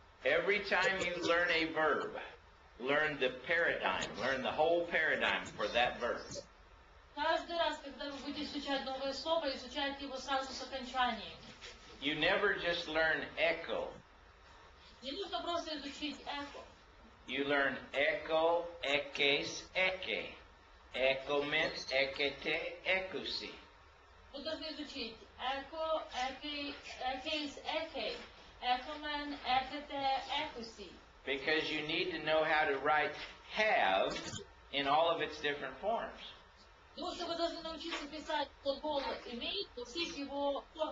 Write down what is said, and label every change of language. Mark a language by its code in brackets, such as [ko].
[en] Every time you learn a verb, learn the paradigm, learn the whole paradigm for that verb. [ru] Каждый раз, когда вы будете изучать новое слово, изучайте его сразу с окончанием. [en] You never just learn echo. [ru] Не нужно просто изучить echo. [en] You learn echo, eques, eque. [el] Echo meant ekete, ekusi. [ru] Вы должны изучить echo, eques, eque. [el] Echo meant ekete, ekusi. [en] Because you need to know how to write have in all of its different forms. [ru] Потому что вы должны научиться писать глагол имеет во всех его